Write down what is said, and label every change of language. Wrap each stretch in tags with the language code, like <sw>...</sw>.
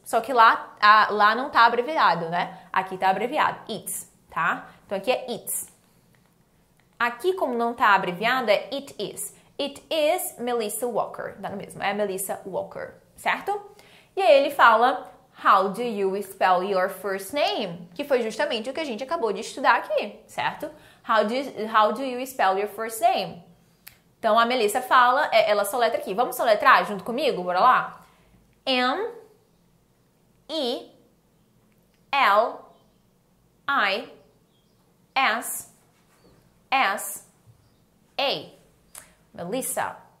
<pt>Só que lá não tá abreviado, né? Aqui tá abreviado, it's, tá? Então aqui é it's. Aqui, como não tá abreviado, é it is.</pt> <en>It is Melissa Walker.</en> <pt>Dá no mesmo. É Melissa Walker, certo? E aí ele fala,</pt> <en>how do you spell your first name?</en> <pt>Que foi justamente o que a gente acabou de estudar aqui, certo?</pt> <en>How do you spell your first name?</en> <pt>Então a Melissa fala, ela soletra aqui. Vamos soletrar junto comigo? Bora lá. M E L I S S A. Melissa.</pt>